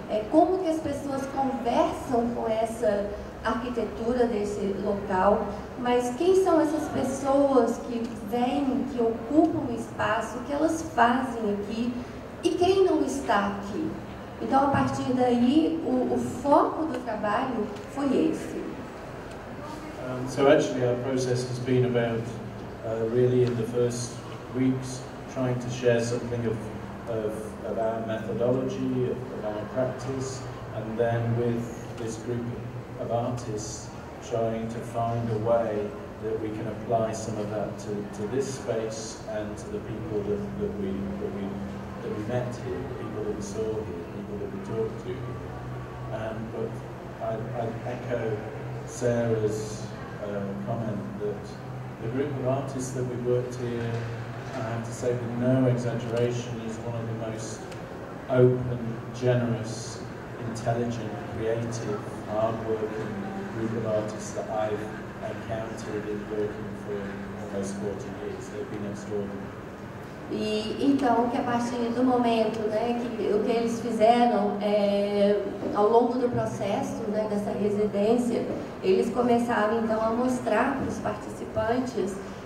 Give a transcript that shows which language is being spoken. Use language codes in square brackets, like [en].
[pt] Como que as pessoas conversam com essa arquitetura desse local, mas quem são essas pessoas que vêm, que ocupam o espaço, que elas fazem aqui e quem não está aqui? Então, a partir daí, o foco do trabalho foi esse. [en] So actually, our process has been about really in the first weeks trying to share something of our methodology, of our practice, and then with this group of artists trying to find a way that we can apply some of that to this space and to the people that we met here, the people that we saw here, the people that we talked to. But I'd echo Sarah's comment that the group of artists that we've worked here, I have to say with no exaggeration, is one of the most open, generous, intelligent, creative, hard-working group of artists that I've encountered in working for almost 40 years. They've been extraordinary. [pt] E então, que a partir do momento, né, que o que eles fizeram ao longo do processo, né, dessa residência, eles começaram então a mostrar para os participantes